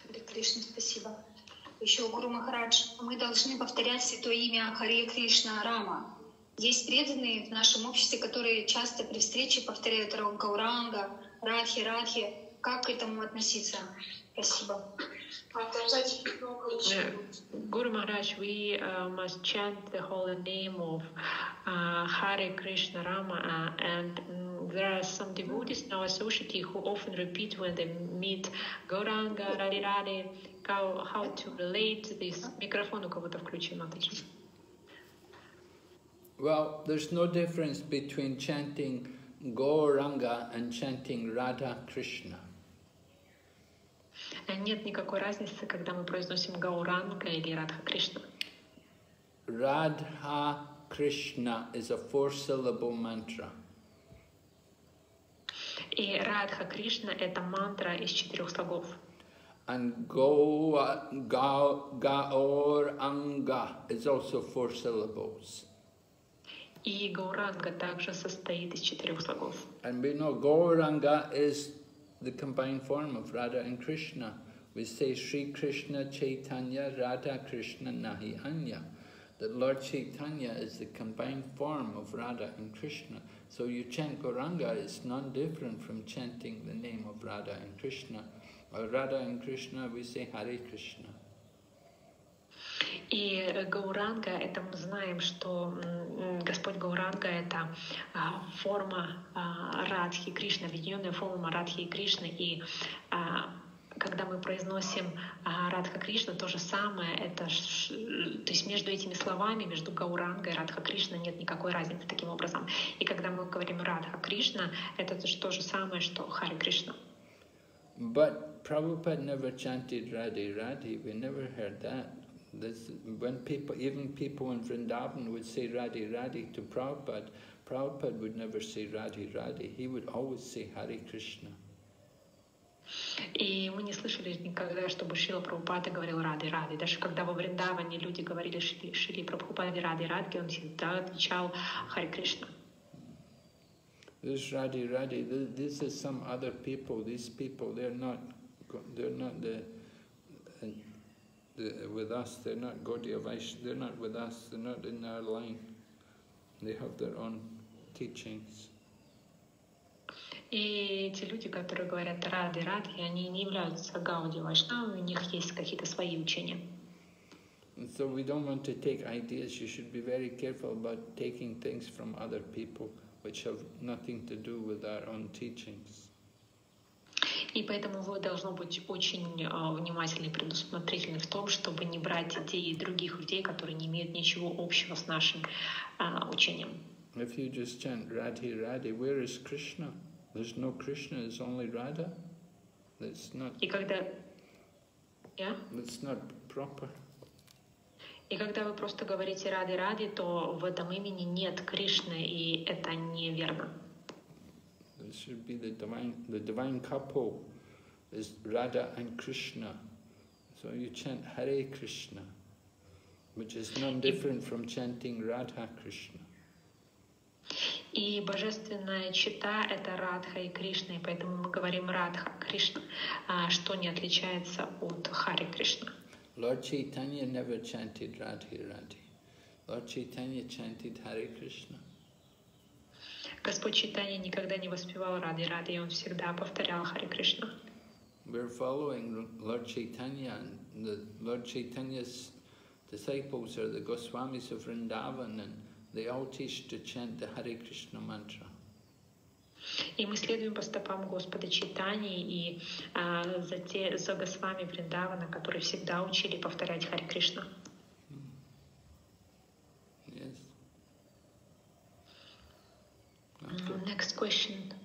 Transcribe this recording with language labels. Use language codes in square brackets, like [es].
[ru] Кришна, спасибо. Еще Гуру Махарадж, мы должны повторять святое имя Харе Кришна Рама. Есть преданные в нашем обществе, которые часто при встрече повторяют Гауранга, Радхи, Радхи. Как к этому относиться? Спасибо. [en] Гуру Махарадж, we must chant the holy name of Hare Krishna Rama, and there are some devotees in our society who often repeat when they meet Gauranga, Radhe Radhe. How to relate to this? [ru] Микрофон у кого-то включи, Матаджи. [en] Well, there's no difference between chanting Gauranga and chanting Radha Krishna. [ru] Нет никакой разницы, когда мы произносим Гауранга или Радха Кришна. [en] Радха Кришна is a four-syllable mantra. [ru] И Радха Кришна – это мантра из четырех слогов. [en] And Gauranga is also four syllables. [ru] И Гауранга также состоит из четырех слогов. [en] And we know Gauranga is the combined form of Radha and Krishna. We say Sri Krishna Chaitanya Radha Krishna Nahi Anya. That Lord Chaitanya is the combined form of Radha and Krishna. So you chant Gauranga, it's none different from chanting the name of Radha and Krishna. Or Radha and Krishna, we say Hare Krishna. [ru] И Гауранга, это мы знаем, что Господь Гауранга — это форма Радхи Кришны, объединенная форма Радхи и Кришны. И когда мы произносим Радха Кришна, то же самое, это то есть между этими словами, между Гаурангой и Радха Кришна нет никакой разницы таким образом. И когда мы говорим Радха Кришна, это то же самое, что Харе Кришна. [en] But Prabhupada never chanted Radhe Radhe, we never heard that. This, when people, even people in Vrindavan would say Radhe Radhe to Prabhupada, Prabhupada would never say Radhe Radhe. He would always say Hare Krishna. [ru] И мы не слышали никогда, чтобы Шрила Прабхупада говорил Радхе Радхе. Даже когда во Вриндаване люди говорили Шрила Прабхупаде Радхе Радхе, он всегда отвечал Харе Кришна. [en] This Радхе Радхе, this is some other people. These people, they're not with us. They're not Gaudiya Vaishnava. They're not with us. They're not in our line. They have their own teachings. [ru] И эти люди, которые говорят Радхе Радхе, они не являются Гауди Вайшнавами, у них есть какие-то свои учения. [en] And so we don't want to take ideas. You should be very careful about taking things from other people which have nothing to do with our own teachings. [ru] И поэтому вы должны быть очень внимательны и предусмотрительны в том, чтобы не брать идеи других людей, которые не имеют ничего общего с нашим учением. [en] If you just chant Radhe Radhe, where is Krishna? There's no Krishna, it's only Radha. That's not. [ru] И когда, yeah? [en] That's not proper. [ru] И когда вы просто говорите Радхе Радхе, то в этом имени нет Кришны, и это неверно. [en] It should be the divine couple is Radha and Krishna. So you chant Hare Krishna, which is none different from chanting Radha Krishna. [ru] И божественная чита — это Радха и Кришна, и поэтому мы говорим Радха Кришна, что не отличается от Харе Кришна. [en] Lord Chaitanya never chanted Radhe Radhe. Lord Chaitanya chanted Hare Krishna. [ru] Господь Чайтанья никогда не воспевал Радхе Радхе, и он всегда повторял Харе Кришна. [en] We're following Lord Chaitanya, and the Lord Chaitanya's disciples are the Goswamis of Vrindavan, and they all teach to chant the Hare Krishna mantra. [ru] И мы следуем по стопам Господа Чайтаньи и за Госвами Вриндавана, которые всегда учили повторять Харе Кришна. [en] Yes. Next question.